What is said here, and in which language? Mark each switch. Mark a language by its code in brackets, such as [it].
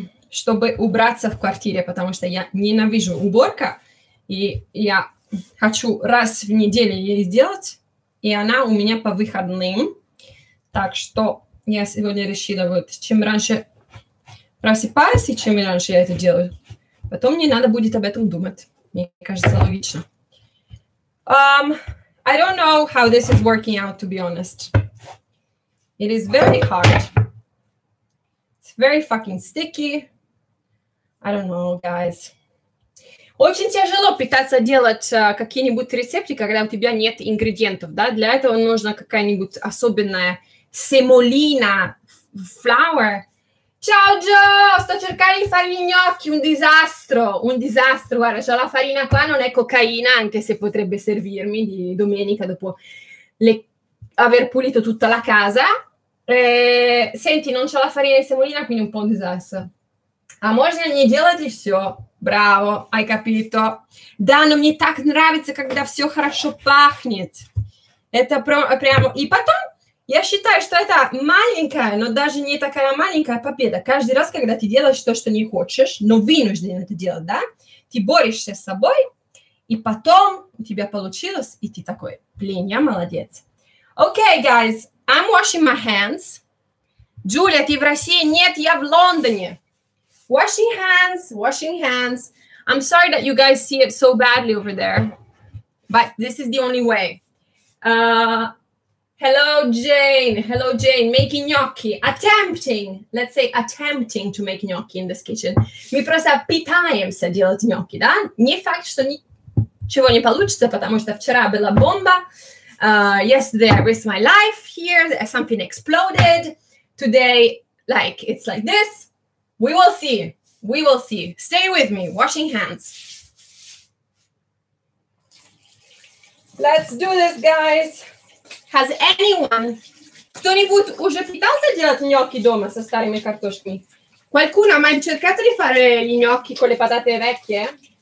[ru] Чтобы убраться в квартире, потому что я ненавижу уборка, и я хочу раз в неделю ее сделать, и она у меня по выходным. Так что я сегодня решила, вот, чем раньше просыпаюсь, и чем раньше я это делаю, потом не надо будет об этом думать. Мне кажется, логично. [en] I don't know how this is working out, to be honest. It is very hard. Very fucking sticky. I don't know, guys. [ru] Очень тяжело пытаться делать какие-нибудь рецепты, когда у тебя нет ингредиентов, да? Для этого нужна какая-нибудь особенная семолина, flour. [it] Ciao, Joe! Sto cercando di fare gli gnocchi, un disastro. Guarda, c'ho la farina qua, non è cocaina, anche se potrebbe servirmi di domenica dopo aver pulito tutta la casa. Senti, non c'ho la farina di semolina, quindi un po' un disastro. [ru] A можно не делать и все. Браво, [it] hai capito. [ru] Да, но мне так нравится, когда все хорошо пахнет. Это прямо... И потом, я считаю, что это маленькая, но даже не такая маленькая победа. Каждый раз, когда ты делаешь то, что не хочешь, но вынужден это делать, да? Ты борешься с собой, и потом у тебя получилось, и ты такой, блин, я молодец. [en] Окей, guys. I'm washing my hands. Julia, [ru] ты в России? Нет, я в Лондоне. [en] Washing hands. I'm sorry that you guys see it so badly over there. But this is the only way. Hello, Jane. Making gnocchi. Attempting. Let's say attempting to make gnocchi in this kitchen. [ru] Мы просто пытаемся делать гнокки, да? Не факт, что ничего не получится, потому что вчера была бомба. [en] Yesterday I risked my life here, something exploded. Today, like, it's like this. We will see. We will see. Stay with me. Washing hands. Let's do this, guys. Has anyone... [ru] Кто-нибудь уже пытался делать гнокки дома со старыми картошками? [it] Qualcuno ha mai cercato di fare gli gnocchi con le patate vecchie?